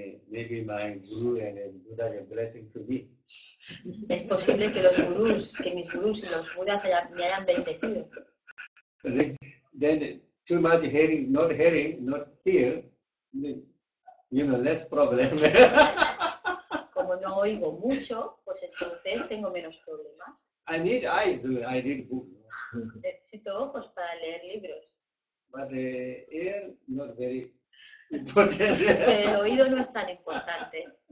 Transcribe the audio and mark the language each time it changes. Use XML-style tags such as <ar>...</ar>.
<en>Maybe my guru and Buddha are a blessing to me.</en> <es>Es posible que los gurús, que mis gurús y los budas me hayan bendecido.</es> <en>Then too much hearing, not hear. You know, less problem.</en> <es>Como no oigo mucho, pues entonces tengo menos problemas.</es> <en>I need eyes, I need books.</en> <es>Necesito ojos para leer libros.</es> <en>But the ear, not very important.</en> <es>Pero el oído no es tan importante.</es>